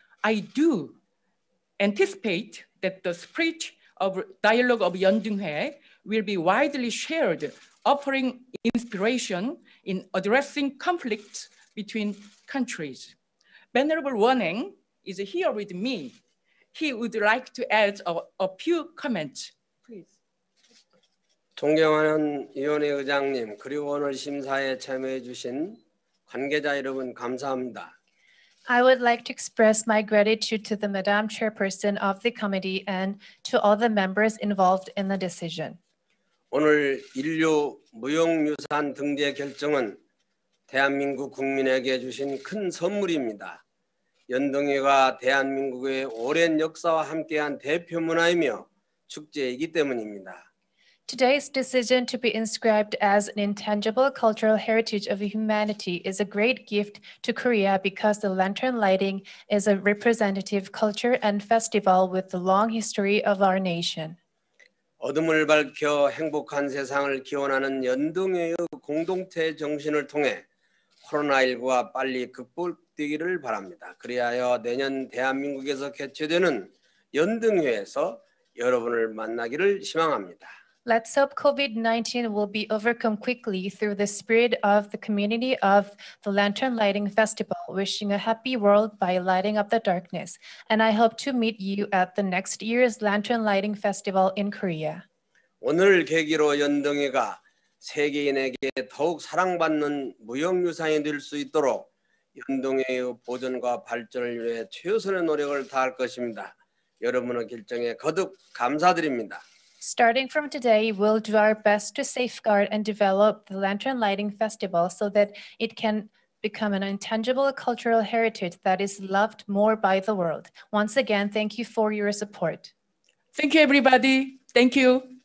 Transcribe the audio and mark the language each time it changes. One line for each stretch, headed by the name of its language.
English: I do anticipate that the spirit of dialogue of Yeondinghae will be widely shared, offering inspiration in addressing conflicts between countries. Venerable Wonheng is here with me. He would like to add a few comments.
Korean: 존경하는 위원회 의장님, 그리고 오늘 심사에 참여해 주신 관계자 여러분 감사합니다.
English: I would like to express my gratitude to the Madam Chairperson of the committee and to all the members involved in the decision.
Korean: 오늘 인류 무형유산 등재 결정은 대한민국 국민에게 주신 큰 선물입니다. 연동회가 대한민국의 오랜 역사와 함께한 대표 문화이며 축제이기 때문입니다.
English: Today's decision to be inscribed as an intangible cultural heritage of humanity is a great gift to Korea because the lantern lighting is a representative culture and festival with the long history of our nation.
Korean: 어둠을 밝혀 행복한 세상을 기원하는 연동회의 공동체 정신을 통해 코로나19와 빨리 극복되기를 바랍니다. 그리하여 내년 대한민국에서 개최되는 연동회에서 여러분을 만나기를 희망합니다.
English: Let's hope COVID-19 will be overcome quickly through the spirit of the community of the Lantern Lighting Festival, wishing a happy world by lighting up the darkness. And I hope to meet you at the next year's Lantern Lighting Festival in Korea.
Korean: 오늘 계기로 연동회가 세계인에게 더욱 사랑받는 무형유산이 될 수 있도록 연동회의 보존과 발전을 위해 최선의 노력을 다할 것입니다. 여러분의 결정에 거듭 감사드립니다.
English: Starting from today, we'll do our best to safeguard and develop the Lantern Lighting Festival so that it can become an intangible cultural heritage that is loved more by the world. Once again, thank you for your support. Thank you, everybody. Thank you.